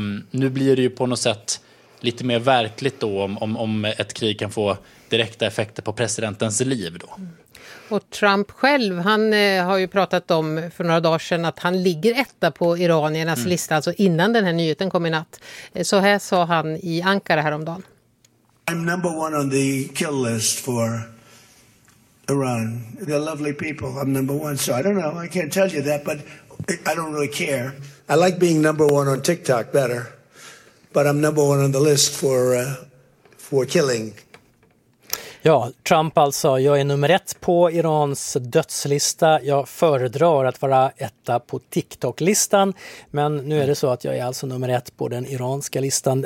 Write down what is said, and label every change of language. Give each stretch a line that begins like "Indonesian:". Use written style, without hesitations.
Swedish: Nu blir det ju på något sätt lite mer verkligt då om ett krig kan få direkta effekter på presidentens liv då. Och Trump själv, han har ju pratat om för några dagar sedan att han ligger etta på iraniernas lista, alltså innan den här nyheten kom i natt. Så här sa han i Ankara häromdagen.
English: I'm number one on the kill list for Iran. They're lovely people, I'm number one. So I don't know, I can't tell you that, but I don't really care. I like being number one on TikTok better, but I'm number one on the list for killing.
Swedish: Ja, Trump alltså, jag är nummer ett på Irans dödslista. Jag föredrar att vara etta på TikTok-listan. Men nu är det så att jag är alltså nummer ett på den iranska listan.